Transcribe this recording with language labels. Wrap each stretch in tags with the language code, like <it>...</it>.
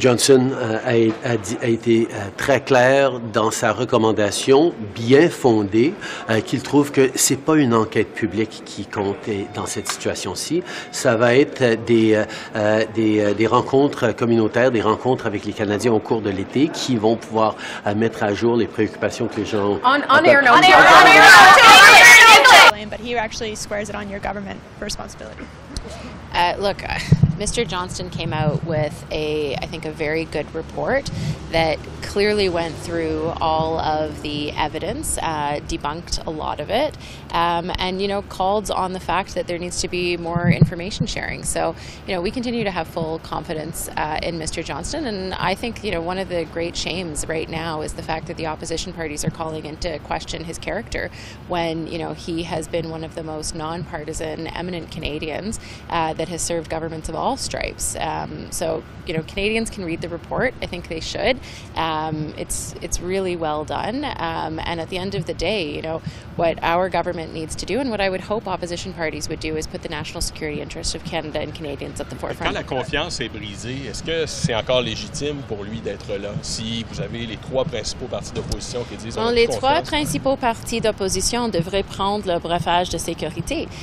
<fr>Johnston a été très clair dans sa recommandation, bien fondée, qu'il trouve que ce n'est pas une enquête publique qui compte dans cette situation-ci. Ça va être des rencontres communautaires, des rencontres avec les Canadiens au cours de l'été qui vont pouvoir mettre à jour les préoccupations que les gens ont.</fr> <en>But he actually squares it on your government responsibility. Look, Mr. Johnston came out with a very good report that clearly went through all of the evidence, debunked a lot of it, and, you know, called on the fact that there needs to be more information sharing. So, you know, we continue to have full confidence in Mr. Johnston, and I think, you know, one of the great shames right now is the fact that the opposition parties are calling into question his character when, you know, he has been one of the most nonpartisan, eminent Canadians that has served governments of all stripes. So, you know, Canadians can read the report. I think they should. It's really well done. And at the end of the day, you know, what our government needs to do and what I would hope opposition parties would do is put the national security interests of Canada and Canadians at the forefront.</en> <fr>Quand la confiance est brisée, est-ce que c'est encore légitime pour lui d'être là? Si vous avez les trois principaux partis d'opposition qui disent... Bon, les trois principaux partis d'opposition devraient prendre le brefage de sécurité.</fr>